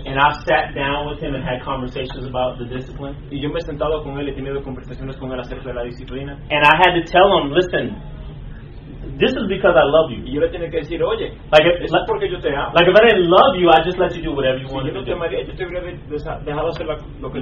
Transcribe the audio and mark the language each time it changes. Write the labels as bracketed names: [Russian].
[English] And I've sat down with him and had conversations about the discipline. [Spanish] Y yo me he sentado con él y he tenido conversaciones con él acerca de la disciplina. [English] And I had to tell him, listen, this is because I love you. [Spanish] Y yo le tenía que decir, oye, [English] like [Spanish] porque yo te amo. [English] Like if I didn't love you, I'd just let you do whatever you want. [Spanish] Si yo no te amaría, yo te hubiera dejado hacer lo que